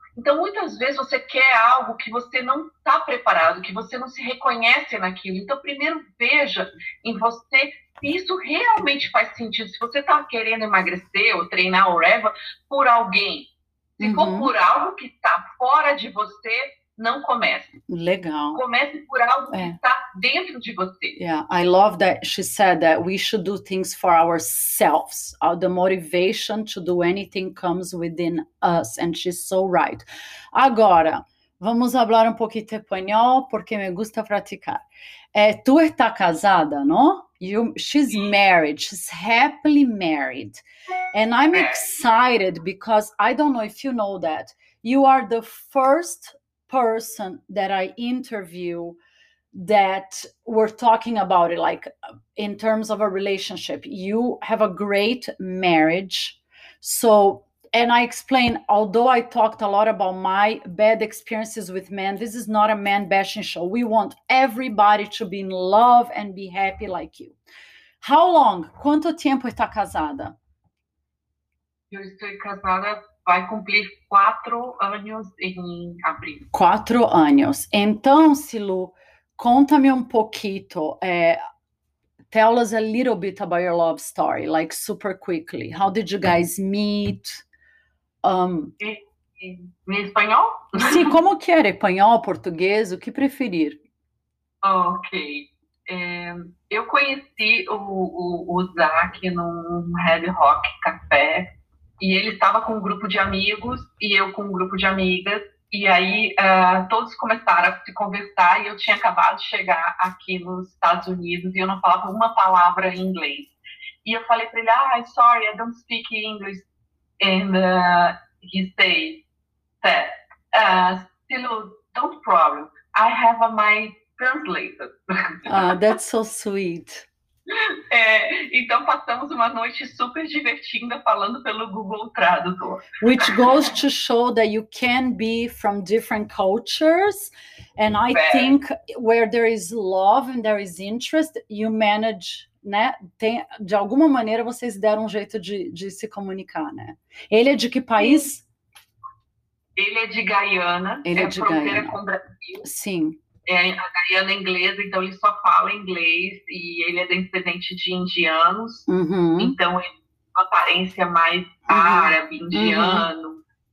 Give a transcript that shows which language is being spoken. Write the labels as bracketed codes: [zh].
[pt] Então, muitas vezes você quer algo que você não está preparado, que você não se reconhece naquilo. Então, primeiro veja em você se isso realmente faz sentido. Se você está querendo emagrecer ou treinar ou whatever, por alguém. Se for por algo que está fora de você, não comece. Legal. Comece por algo que É. está dentro de você. [en] Yeah, I love that she said that we should do things for ourselves. The motivation to do anything comes within us, and she's so right. [pt] Agora, vamos falar um pouquinho espanhol, porque [es] me gusta [pt] praticar. Tu está casada, não? [en] She's married. [pt] She's happily married. And I'm excited because I don't know if you know that. You are the first person that I interview that we're talking about it, like in terms of a relationship. You have a great marriage. So, and I explain, although I talked a lot about my bad experiences with men, this is not a man bashing show. We want everybody to be in love and be happy like you. [en] How long? [pt] Quanto tempo está casada? Eu estou casada, vai cumprir 4 anos em abril. 4 anos. Então, Silu, conta-me um pouquinho. [en] Tell us a little bit about your love story, like super quickly. How did you guys meet? [pt] Em espanhol? Sim, como que era? Espanhol, português? O que preferir? Ok. Eu conheci o Zach num Red Rock Café. E ele estava com um grupo de amigos e eu com um grupo de amigas. E aí todos começaram a se conversar e eu tinha acabado de chegar aqui nos Estados Unidos e eu não falava uma palavra em inglês. E eu falei para ele, ah, [en] sorry, I don't speak English. And he said, Silu, don't problem, I have my translator. Ah, that's so sweet. [pt] Então passamos uma noite super divertida falando pelo Google Tradutor. [en] Which goes to show that you can be from different cultures. And I think where there is love and there is interest, you manage, né? [pt] Tem, de alguma maneira vocês deram um jeito de se comunicar, né? Ele é de que Sim. país? Ele é de Guyana, Ele é é de fronteira Gaiana. com o Brasil. Sim. É, a Guyana é inglesa, então ele só fala inglês e ele é descendente de indianos, então é uma aparência mais árabe, indiano.